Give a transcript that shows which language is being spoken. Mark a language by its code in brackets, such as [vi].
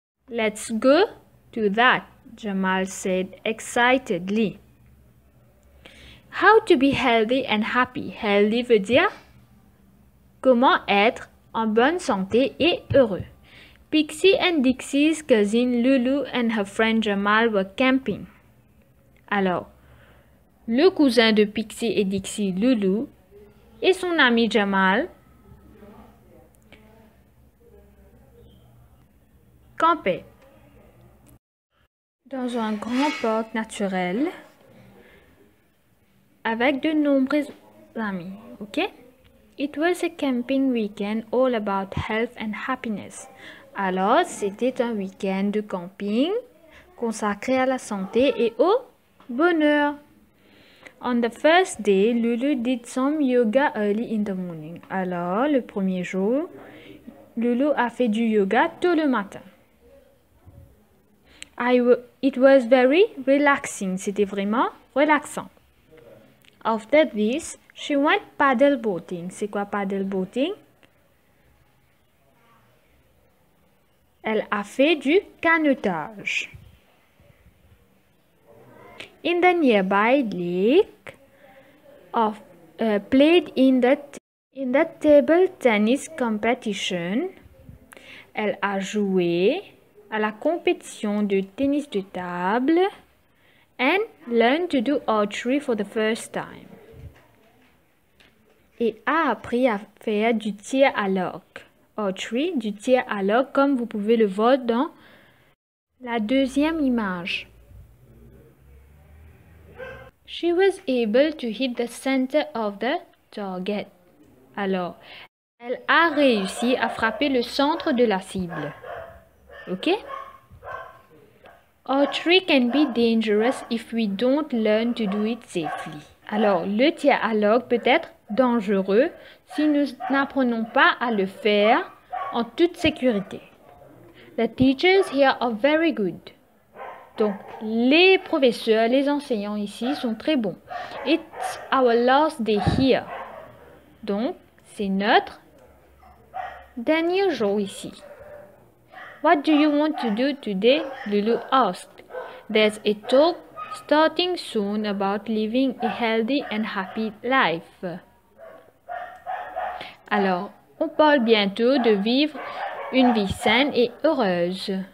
[en] Let's go to that, Jamal said excitedly. How to be healthy and happy? [fr] Healthy veut dire? Comment être en bonne santé et heureux? [en] Pixie and Dixie's cousin Lulu and her friend Jamal were camping. [fr] Alors, le cousin de Pixie et Dixie, Lulu, et son ami Jamal, campaient dans un grand parc naturel avec de nombreux amis, ok? [en] It was a camping weekend all about health and happiness. [fr] Alors, c'était un week-end de camping consacré à la santé et au bonheur. [en] On the first day, Lulu did some yoga early in the morning. [fr] Alors, le premier jour, Lulu a fait du yoga tôt le matin. [en] It was very relaxing. [fr] C'était vraiment relaxant. [en] After this, she went paddle boating. [fr] C'est quoi [en] paddle boating? [fr] Elle a fait du canotage. [en] In the nearby lake, played in the table tennis competition. [fr] Elle a joué à la compétition de tennis de table [en] and learned to do archery for the first time. [fr] Et a appris à faire du tir à l'arc. Archery, du tir à l'arc, comme vous pouvez le voir dans la deuxième image. [en] She was able to hit the center of the target. [fr] Alors, elle a réussi à frapper le centre de la cible. Ok? [en] Archery can be dangerous if we don't learn to do it safely. [fr] Alors, le tir à l'arc peut être dangereux si nous n'apprenons pas à le faire en toute sécurité. [en] The teachers here are very good. [fr] Donc, les professeurs, les enseignants ici sont très bons. [en] It's our last day here. [fr] Donc, c'est notre dernier jour ici. [en] What do you want to do today? Lulu asked. There's a talk starting soon about living a healthy and happy life. [fr] Alors, on parle bientôt de vivre une vie saine et heureuse.